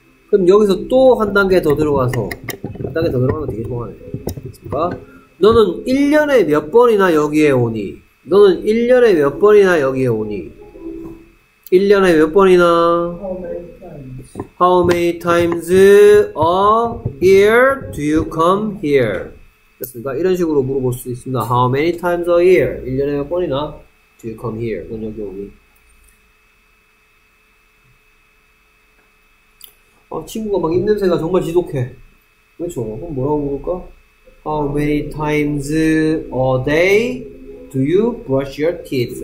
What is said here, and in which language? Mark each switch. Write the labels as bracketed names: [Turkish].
[Korean] 그럼 여기서 또 한 단계 더 들어가서 한 단계 더 들어가면 되게 좋아하네. 됐습니까? 너는 1년에 몇 번이나 여기에 오니? 너는 1년에 몇 번이나 여기에 오니? 1년에 몇 번이나? [English] How many times? How many times a year do you come here? [Korean] 됐습니까? 이런 식으로 물어볼 수 있습니다. [English] How many times a year? [Korean] 1년에 몇 번이나? [English] Do you come here? [Korean] 넌 여기 오니? 아, 친구가 막 입냄새가 정말 지독해. 그렇죠? 그럼 뭐라고 물을까? [English] How many times a day do you brush your teeth?